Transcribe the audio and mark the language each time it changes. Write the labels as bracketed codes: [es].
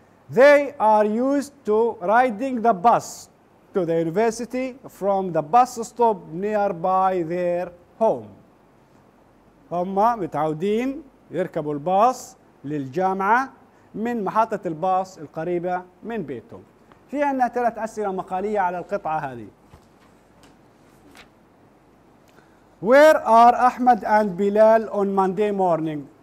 [en] They are used to riding the bus to the university from the bus stop nearby their home. [ar] هم متعودين يركبوا الباص للجامعة من محطة الباص القريبة من بيتهم. في عندنا ثلاث أسئلة مقالية على القطعة هذه. [en] Where are Ahmed and Bilal on Monday morning?